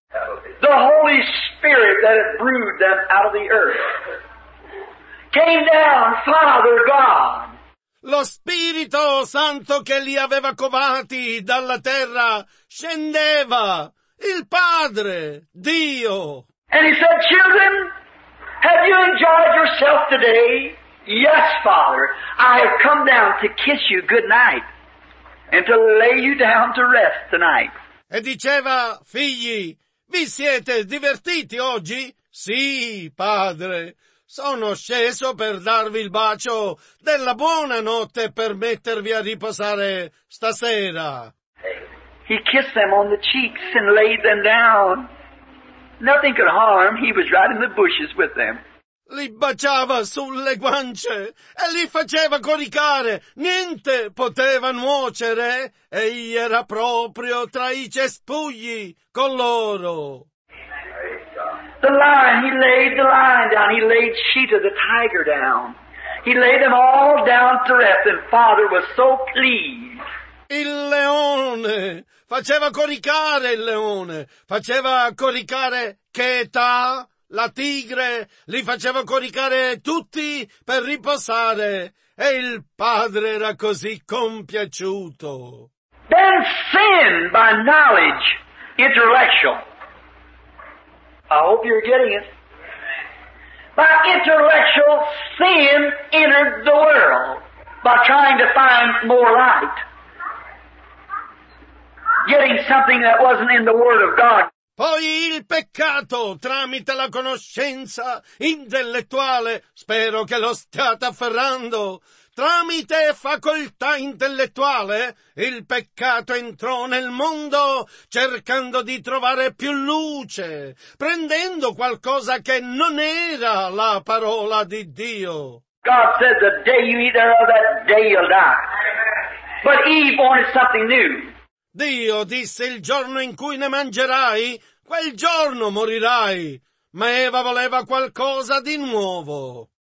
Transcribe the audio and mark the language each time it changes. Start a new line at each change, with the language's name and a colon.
English: The Holy Spirit that had brewed them out of the earth came down, Father God.
Italian: Lo Spirito Santo che li aveva covati dalla terra scendeva, il Padre, Dio.
English: And he said, children, have you enjoyed yourself today? Yes, Father, I have come down to kiss you good night and to lay you down to rest tonight.
Italian: E diceva, figli, vi siete divertiti oggi? Sì, Padre. Sono sceso per darvi il bacio della buona notte per mettervi a riposare stasera.
English: He kissed them on the cheeks and laid them down. Nothing could harm. He was right in the bushes with them.
Italian: Li baciava sulle guance e li faceva coricare. Niente poteva nuocere. Egli era proprio tra i cespugli con loro.
English: The lion, he laid the lion down, he laid Sheeta the tiger down. He laid them all down to rest, and Father was so pleased.
Italian: Il leone faceva coricare il leone, faceva coricare Cheta, la tigre, li faceva coricare tutti per riposare, e il Padre era così compiaciuto.
English: Then sin by knowledge, intellectual. I hope you're getting it. By intellectual sin entered the world by trying to find more light. Getting something that wasn't in the Word of God.
Italian: Poi il peccato tramite la conoscenza intellettuale, spero che lo stiate afferrando, tramite facoltà intellettuale, il peccato entrò nel mondo cercando di trovare più luce, prendendo qualcosa che non era la parola di Dio.
English: God said the day you eat thereof, that day you'll die. But Eve wanted something new.
Italian: Dio disse il giorno in cui ne mangerai, quel giorno morirai. Ma Eva voleva qualcosa di nuovo.